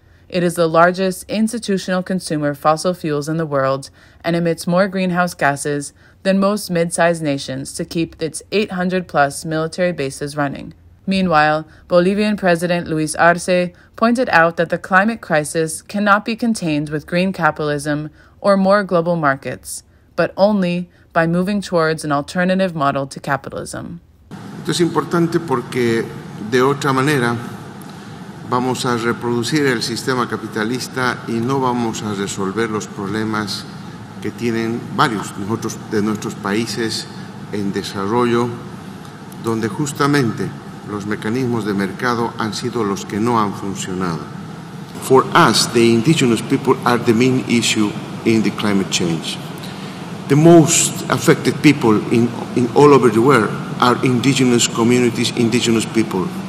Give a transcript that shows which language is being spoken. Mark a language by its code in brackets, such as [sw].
[en] It is the largest institutional consumer of fossil fuels in the world and emits more greenhouse gases than most mid-sized nations to keep its 800-plus military bases running. Meanwhile, Bolivian President Luis Arce pointed out that the climate crisis cannot be contained with green capitalism or more global markets, but only by moving towards an alternative model to capitalism. [es] Esto es importante porque de otra manera vamos a reproducir el sistema capitalista y no vamos a resolver los problemas que tienen varios de nuestros países en desarrollo, donde justamente los mecanismos de mercado han sido los que no han funcionado. [en] For us, the indigenous people are the main issue in the climate change. The most affected people in all over the world are indigenous communities, indigenous people.